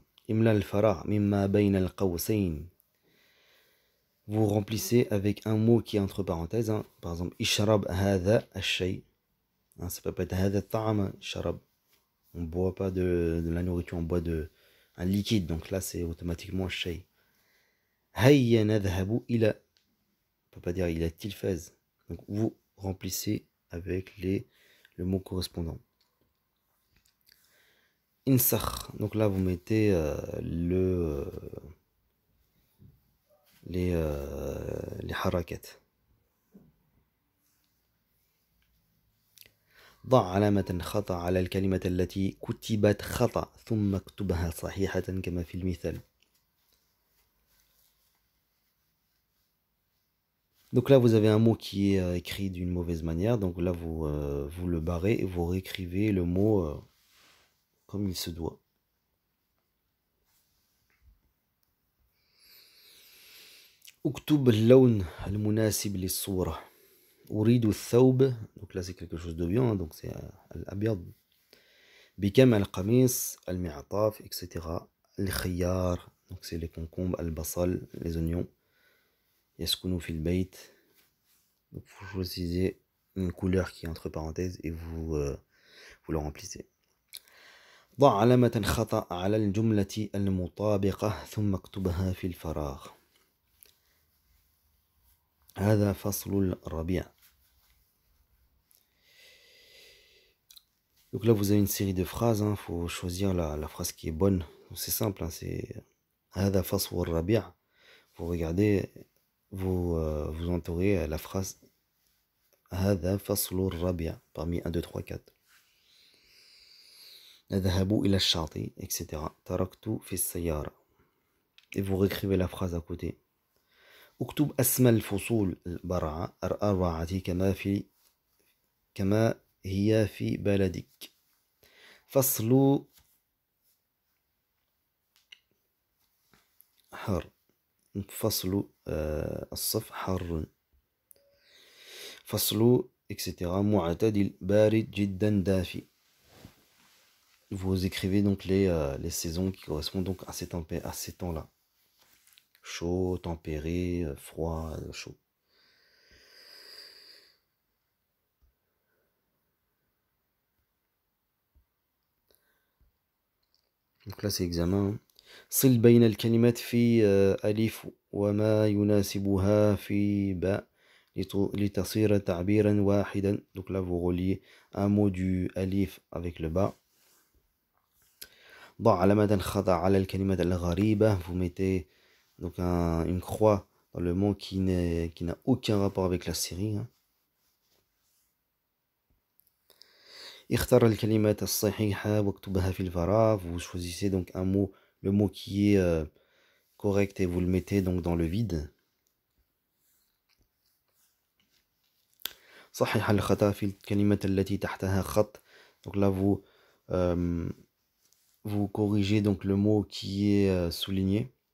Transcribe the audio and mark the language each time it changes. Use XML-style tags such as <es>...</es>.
<ar>املأ الفراغ مما بين القوسين.</ar> <fr>Vous remplissez avec un mot qui est entre parenthèses. Hein. Par exemple,</fr> <ar>ishrab hadha ash-shay.</ar> <fr>Hein, ça peut pas être</fr> <ar>hadha ta'am, ishrab.</ar> <fr>On ne boit pas de la nourriture, on boit un liquide. Donc là, c'est automatiquement ash-shay.</fr> <ar>Hayya nadhhabu ila.</ar> <fr>On ne peut pas dire</fr> <ar>ila tilfaz.</ar> <fr>Donc vous remplissez avec le mot correspondant. Insakh. Donc là, vous mettez le. Les harakat.</fr> <ar>ضع علامة خطأ على الكلمة التي كتبت خطأ ثم اكتبها صحيحة كما في المثال.</ar> <fr>Donc là vous avez un mot qui est écrit d'une mauvaise manière, donc là vous le barrez et vous réécrivez le mot comme il se doit.</fr> <ar>اكتب اللون المناسب للصورة. أريد الثوب.</ar> <fr>Donc là c'est quelque chose de bien, donc c'est الأبيض.</fr> <ar>بكم القميص المعطف etc. الخيار.</ar> <fr>Donc c'est les concombres, البصل, les oignons.</fr> <ar>يسكن في البيت.</ar> <fr>Donc vous choisissez une couleur qui est entre parenthèses et vous le remplissez.</fr> <ar>ضع علامة خطأ على الجملة المطابقة ثم اكتبها في الفراغ. هذا فصل الربيع.</ar> <fr>Donc là vous avez une série de phrases, hein. Faut choisir la phrase qui est bonne. C'est simple, hein.</fr> <ar>C'est هذا فصل الربيع.</ar> <fr>Vous regardez, vous entourez la phrase</fr> <ar>هذا فصل الربيع</ar> <fr>parmi 1, 2, 3, 4.</fr> <ar>نذهب إلى الشاطئ, etc. تركت في السيارة.</ar> <fr>Et vous réécrivez la phrase à côté.</fr> <ar>اكتب اسم الفصول الأربعة كما هي في بلدك. فصل حر. فصل الصف حر. فصل اكسيتيرا معتدل بارد جدا دافي.</ar> <fr>Vous écrivez donc les saisons qui correspondent donc à ces temps-là. Chaud, tempéré, froid, chaud. Donc là, c'est examen.</fr> <ar>صل بين الكلمات في ألف وما يناسبها في باء لتصير تعبيرا واحدا.</ar> <fr>Donc là, vous reliez un mot du ألف avec le باء.</fr> <ar>ضع علامة خطأ على الكلمات الغريبة.</ar> <fr>Vous mettez donc une croix dans le mot qui n'a aucun rapport avec la Syrie.</fr> <ar>اختر الكلمات الصحيحة واكتبها في الفراغ.</ar> <fr>Vous choisissez donc un mot, le mot qui est correct et vous le mettez donc dans le vide.</fr> <ar>صحيح الخطأ في الكلمة التي تحتها خط.</ar> <fr>Donc là vous corrigez donc le mot qui est souligné.</fr>